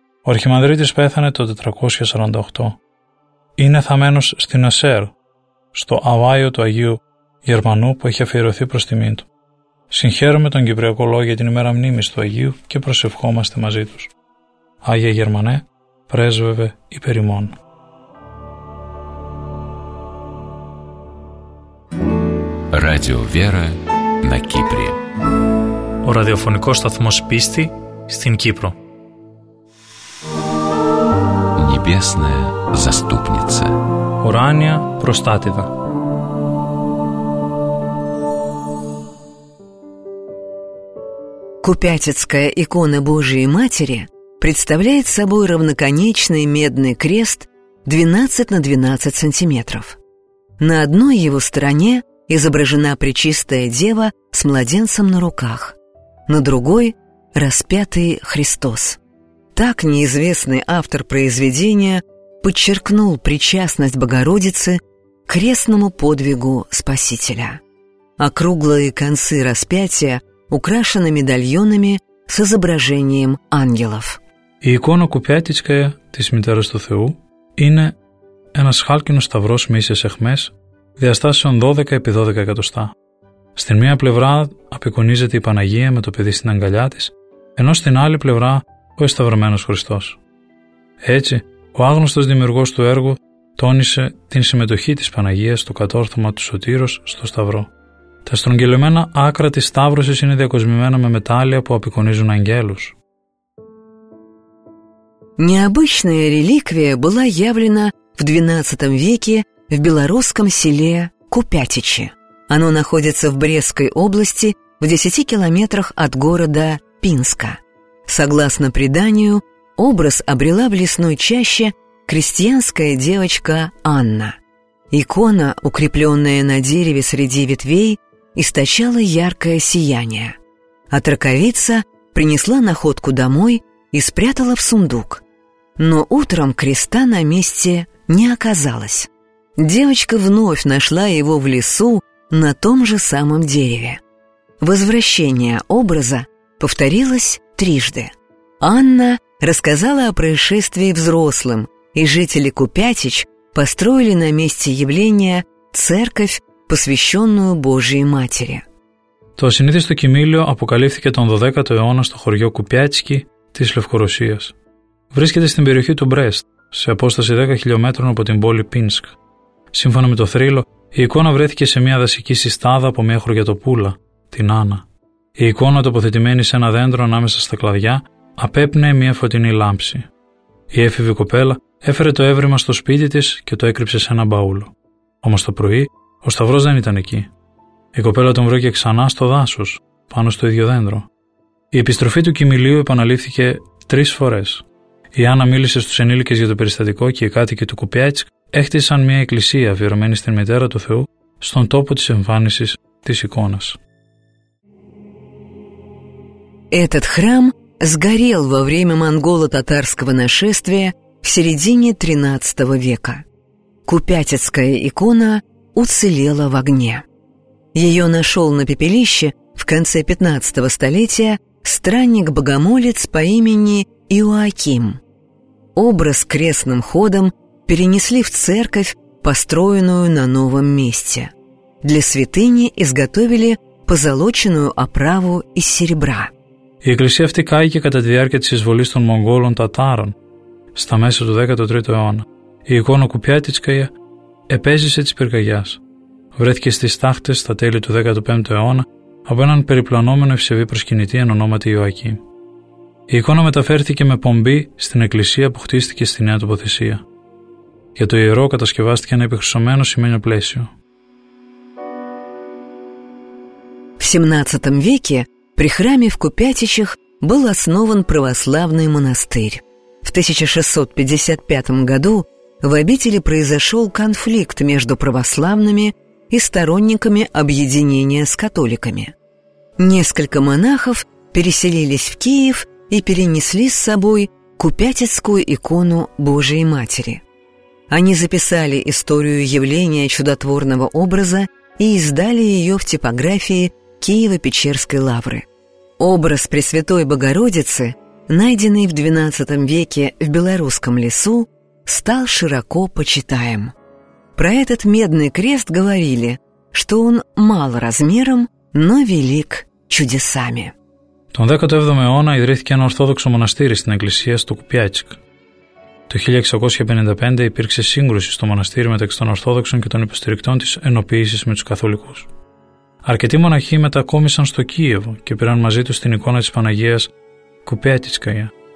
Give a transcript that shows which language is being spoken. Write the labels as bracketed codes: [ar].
[el] Ο αρχιμανδρίτης πέθανε το 448. Είναι θαμμένος στην Ασέρ, στο αβάιο του Αγίου Γερμανού που έχει αφιερωθεί προς τιμή του. Συγχαίρομαι τον Κυπριακό λόγο για την ημέρα μνήμης του Αγίου και προσευχόμαστε μαζί τους. Άγιε Γερμανέ, πρέσβευε υπέρ ημών. [ru] Radio Vera на Кипре. [el] Ο ραδιοφωνικός σταθμός πίστη στην Κύπρο. [ru] Небесная заступница. [el] Ουράνια προστάτηδα. [ru] Купятицкая икона Божией Матери представляет собой равноконечный медный крест 12 на 12 сантиметров. На одной его стороне изображена Пречистая Дева с младенцем на руках, на другой – распятый Христос. Так неизвестный автор произведения подчеркнул причастность Богородицы к крестному подвигу Спасителя. Округлые концы распятия украшены медальонами с изображением ангелов. [el] И икона Купятицкая, της Мητέρας του Θεού, είναι ένας χάλκινος σταυρός μίσης εχμές, διαστάσεων 12 επί 12 εκατοστά. Στην μία πλευρά απεικονίζεται η Παναγία με το παιδί στην αγκαλιά της, ενώ στην άλλη πλευρά ο εσταυρωμένος Χριστός. Έτσι, ο άγνωστος δημιουργός του έργου τόνισε την συμμετοχή της Παναγίας στο κατόρθωμα του Σωτήρος στο Σταυρό. Τα στρογγυλωμένα άκρα της Σταύρωσης είναι διακοσμημένα με μετάλλια που απεικονίζουν αγγέλους. [ru] Необычная реликвия была явлена в 12 веке в белорусском селе Купятичи. Оно находится в Брестской области в 10 километрах от города Пинска. Согласно преданию, образ обрела в лесной чаще крестьянская девочка Анна. Икона, укрепленная на дереве среди ветвей, источала яркое сияние. А траковица принесла находку домой и спрятала в сундук. Но утром креста на месте не оказалось. Девочка вновь нашла его в лесу на том же самом дереве. Возвращение образа повторилось трижды. Анна рассказала о происшествии взрослым, и жители Купятич построили на месте явления церковь, посвященную Божией Матери. [el] То συνήθιστο κοιμήλιο αποκαλύφθηκε τον 12ο αιώνα στο χωριό Κουπιάτσκι της Λευκορωσίας. Βρίσκεται στην περιοχή του Μπρέστ, σε απόσταση 10 χιλιόμετρων από την πόλη Πίνσκ. Σύμφωνα με το θρύλο, η εικόνα βρέθηκε σε μια δασική συστάδα από μια χωριατοπούλα, την Άννα. Η εικόνα, τοποθετημένη σε ένα δέντρο ανάμεσα στα κλαδιά, απέπνεε μια φωτεινή λάμψη. Η έφηβη κοπέλα έφερε το έβριμα στο σπίτι της και το έκρυψε σε ένα μπαούλο. Όμως το πρωί, ο σταυρός δεν ήταν εκεί. Η κοπέλα τον βρήκε ξανά στο δάσος, πάνω στο ίδιο δέντρο. Η επιστροφή του κοιμηλίου επαναλήφθηκε τρεις φορές. Η Άννα μίλησε στους ενήλικες για το περιστατικό και οι κάτοικοι του Κουπιάτσκ έχτισαν μια εκκλησία αφιερωμένη στην Μητέρα του Θεού στον τόπο της εμφάνισης της εικόνας. [ru] Этот храм сгорел во время монголо-татарского нашествия в середине 13 века. Купятицкая икона уцелела в огне. Ее нашел на пепелище в конце 15 столетия странник-богомолец по имени Иоаким. Образ крестным ходом перенесли в церковь, построенную на новом месте. Для святыни изготовили позолоченную оправу из серебра. [el] Η εκκλησία αυτή κάηκε κατά τη διάρκεια της εισβολής των Μογγόλων Τατάρων στα μέσα του 13ου αιώνα. Η εικόνα Κουπιάτιτσκαια επέζησε της πυρκαγιάς. Βρέθηκε στις στάχτες στα τέλη του 15ου αιώνα από έναν περιπλανόμενο ευσεβή προσκυνητή ονόματι Ιωακήμ. Η εικόνα μεταφέρθηκε με πομπή στην εκκλησία που χτίστηκε στη νέα τοποθεσία. Για το ιερό κατασκευάστηκε ένα επιχρυσωμένο σημαίνιο πλαίσιο. [ru] XVII веке при храме в Купятичах был основан православный монастырь. В 1655 году в обители произошел конфликт между православными и сторонниками объединения с католиками. Несколько монахов переселились в Киев и перенесли с собой Купятицкую икону Божией Матери. Они записали историю явления чудотворного образа и издали ее в типографии Киево-Печерской лавры. Образ Пресвятой Богородицы, найденный в XII веке в Белорусском лесу, стал широко почитаем. Про этот медный крест говорили, что он мал размером, но велик чудесами. [el] Τον 17ο αιώνα ιδρύθηκε ένα ορθόδοξο μοναστήρι στην εκκλησία στο Κουπιάτσικ. Το 1655 υπήρξε σύγκρουση στο μοναστήρι μεταξύ των Ορθόδοξων και των υποστηρικτών της ενοποίησης με τους Καθολικούς. Αρκετοί μοναχοί μετακόμισαν στο Κίεβο και πήραν μαζί τους την εικόνα της Παναγίας Κουπιάτσικα.